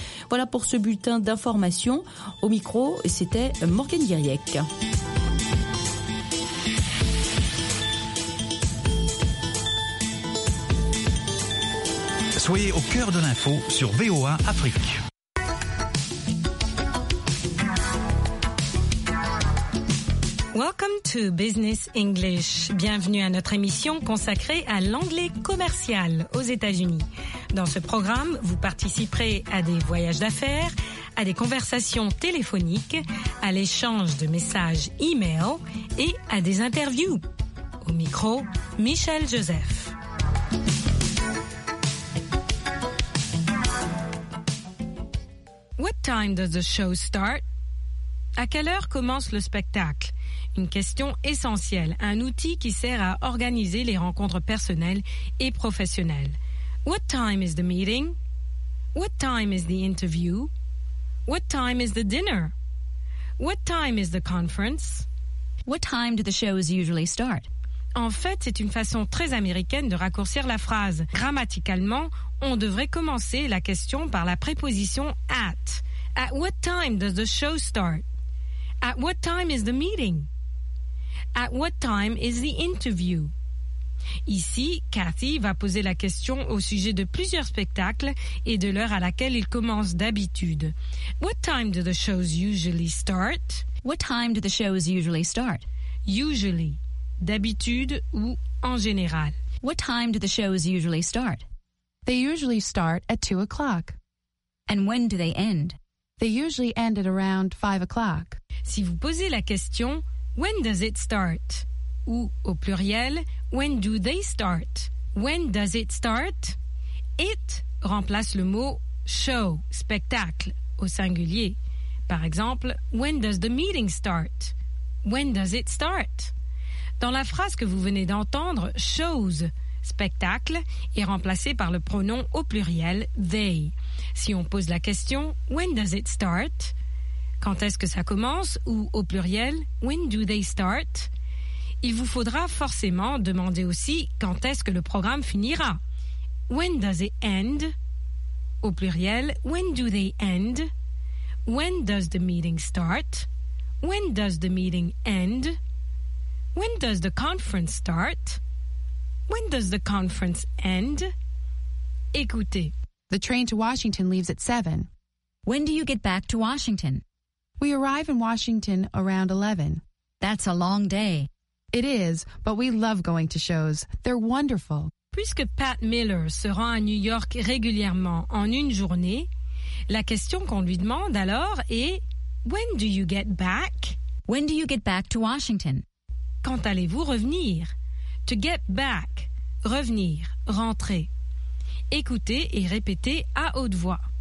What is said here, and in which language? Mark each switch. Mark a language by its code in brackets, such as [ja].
[fr] Voilà pour ce bulletin d'information. Au micro, c'était Morgane Guerriac. Soyez au cœur de l'info sur VOA Afrique. [en] Welcome to Business English. [fr] Bienvenue à notre émission consacrée à l'anglais commercial aux États-Unis. Dans ce programme, vous participerez à des voyages d'affaires, à des conversations téléphoniques, à l'échange de messages e-mail et à des interviews. Au micro, Michel Joseph. [en] What time does the show start? [fr] À quelle heure commence le spectacle? Une question essentielle, un outil qui sert à organiser les rencontres personnelles et professionnelles. [en] What time is the meeting? What time is the interview? What time is the dinner? What time is the conference? What time do the shows usually start? [fr] En fait, c'est une façon très américaine de raccourcir la phrase. Grammaticalement, on devrait commencer la question par la préposition at. [en] At what time does the show start? At what time is the meeting? At what time is the interview? [fr] Ici, Cathy va poser la question au sujet de plusieurs spectacles et de l'heure à laquelle ils commencent d'habitude. [en] What time do the shows usually start? What time do the shows usually start? [fr] Usually, d'habitude ou en général. [en] What time do the shows usually start? They usually start at 2 o'clock. And when do they end? They usually end at around 5 o'clock. [fr] Si vous posez la question, [en] when does it start? [fr] Ou au pluriel, [en] when do they start? When does it start? [fr] It remplace le mot show, spectacle, au singulier. Par exemple, [en] when does the meeting start? When does it start? [fr] Dans la phrase que vous venez d'entendre, shows, spectacle, est remplacé par le pronom au pluriel, they. Si on pose la question, [en] when does it start? [fr] Quand est-ce que ça commence? Ou au pluriel, [en] when do they start? [fr] Il vous faudra forcément demander aussi quand est-ce que le programme finira. [en] When does it end? [fr] Au pluriel, [en] when do they end? When does the meeting start? When does the meeting end? When does the conference start? When does the conference end? [fr] Écoutez. [en] The train to Washington leaves at 7. When do you get back to Washington? We arrive in Washington around 11. That's a long day. It is, but we love going to shows. They're wonderful. [fr] Puisque Pat Miller se rend à New York régulièrement en une journée, la question qu'on lui demande alors est [en] When do you get back? When do you get back to Washington? [fr] Quand allez-vous revenir? [en] To get back. [fr] Revenir. Rentrer. Écoutez et répétez à haute voix.